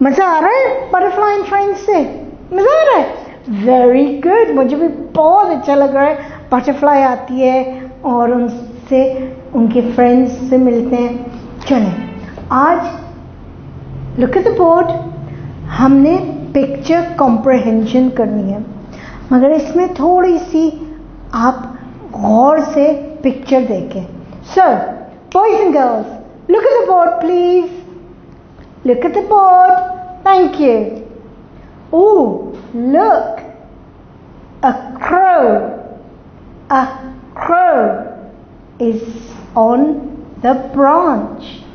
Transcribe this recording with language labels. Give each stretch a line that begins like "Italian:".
Hindi: मजा आ रहा है
English: butterfly and train
Hindi: से? मजा आ रहा है? Very good, मुझे भी बहुत अच्छा लग रहा है. Butterfly आती है और उनसे उनके friends से मिलते हैं. चलें, आज
English: look at the board.
Hindi: हमने picture comprehension करनी है, मगर इसमें थोड़ी सी आप गौर से picture देखें.
English: So, boys and girls, look at the board, please. Look at the board. Thank you. Oh, look. A crow. A crow is on the branch.